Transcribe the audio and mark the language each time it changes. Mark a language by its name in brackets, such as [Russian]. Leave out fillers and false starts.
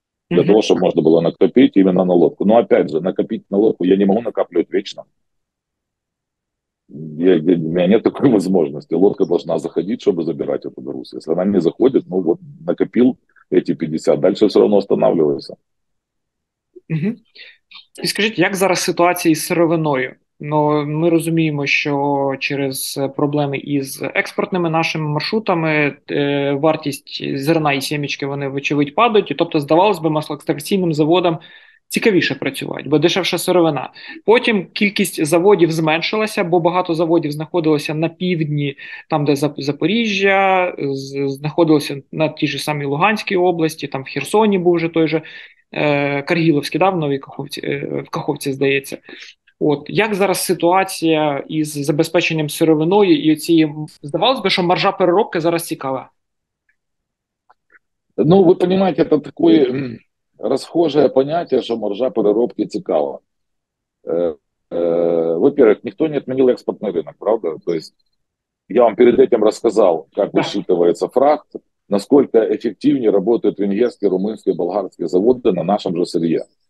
[Russian] Для того, чтобы можно было накопить именно на лодку. Но опять же, накопить на лодку я не могу накапливать вечно. У меня нет такой возможности. Лодка должна заходить, чтобы забирать этот груз. Если она не заходит, ну вот накопил эти 50, дальше все равно останавливается. Угу. [Ukrainian] І скажіть, як зараз ситуація із сировиною? Ну, ми розуміємо, що через проблеми із експортними нашими маршрутами вартість зерна і сімечки, вони вочевидь падають. Тобто, здавалось би, маслоекстракційним заводам цікавіше працювати, бо дешевша сировина. Потім кількість заводів зменшилася, бо багато заводів знаходилося на півдні, там де Запоріжжя, знаходилося на тій же самій Луганській області, там в Херсоні був вже той же Каргіловський, да, в Новій Каховці, в Каховці, здається. От, як зараз ситуація із забезпеченням сировиною і цією, здавалось би, що маржа переробки зараз цікава? Ну, ви розумієте, це такий... [Russian] Расхожее понятие, что [Ukrainian] маржа переробки цікава. [Russian] Во-первых, никто не отменил экспортный рынок, правда? То есть я вам перед этим рассказал, как высчитывается фрахт, насколько эффективнее работают венгерские, румынские, болгарские заводы на нашем же сырье.